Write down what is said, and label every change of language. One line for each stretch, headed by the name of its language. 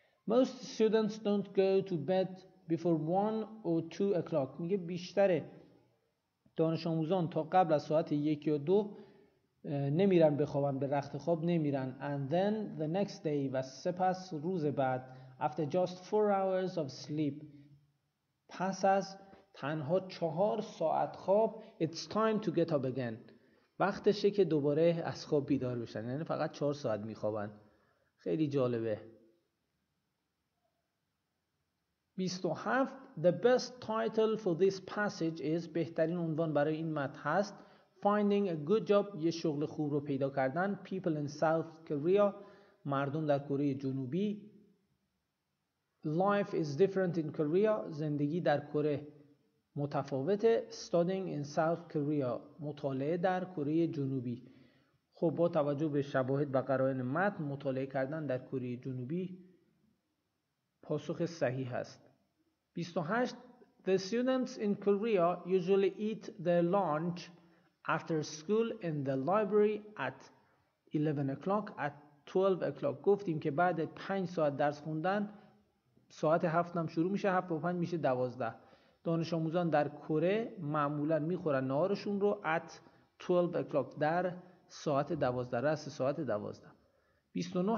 English: Most students don't go to bed before 1 or 2 o'clock.
Persian: میگه بیشتر دانش آموزان تا قبل از ساعت 1 یا 2 نمیرن بخوابن، به رخت خواب نمیرن.
English: And then the next day،
Persian: و سپس روز بعد،
English: after just 4 hours of sleep،
Persian: پس از تنها 4 ساعت خواب،
English: it's time to get up again،
Persian: وقتشه که دوباره از خواب بیدار بشن. یعنی فقط 4 ساعت میخوابن. خیلی جالبه. 27.
English: The best title for this passage is،
Persian: بهترین عنوان برای این متن هست،
English: Finding a good job،
Persian: یه شغل خوب رو پیدا کردن.
English: People in South Korea،
Persian: مردم در کره جنوبی.
English: Life is different in Korea،
Persian: زندگی در کره متفاوته.
English: Studying in South Korea،
Persian: مطالعه در کره جنوبی. خب با توجه به شواهد و قرائن متن، مطالعه کردن در کره جنوبی پاسخ صحیح هست. 28.
English: The students in Korea usually eat their lunch after school in the library at 11 o'clock. At 12 o'clock،
Persian: گفتیم که بعد 5 ساعت درس خوندن، ساعت 7 هم شروع میشه، 7 و 5 میشه 12. دانش آموزان در کره معمولا میخورن نهارشون رو
English: at 12 o'clock،
Persian: در ساعت 12، رأس ساعت 12. 29.